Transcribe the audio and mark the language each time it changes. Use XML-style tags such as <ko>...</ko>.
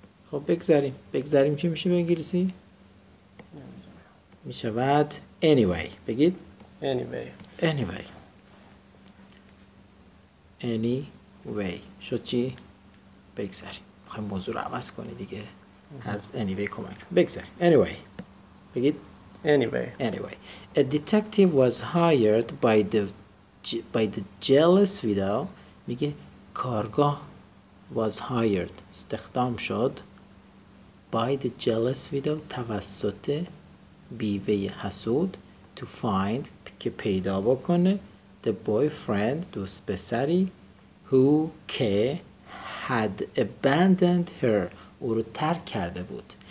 <fa>خب بگذاریم. چی میشه به انگلیسی؟ میشه بعد anyway. بگید</fa> <en>anyway.</en> <fa>Any way شد چی؟ بگذاریم، میخوایم موضوع رو عوض کنی دیگه. از anyway کمک بگذاریم. Anyway بگید</fa> <en>anyway. A detective was hired by the jealous widow.</en> <fa>میگه کارگاه</fa> <en>was hired،</en> <fa>استخدام شد</fa> <en>by the jealous widow،</en> <fa>توسط بیوه حسود،</fa> <en>to find</en> <fa>که پیدا بکنه</fa> <en>the boyfriend،</en> <fa>دوست پسری،</fa> <en>who had abandoned her،</en> <fa>او رو ترک کرده بود.</fa>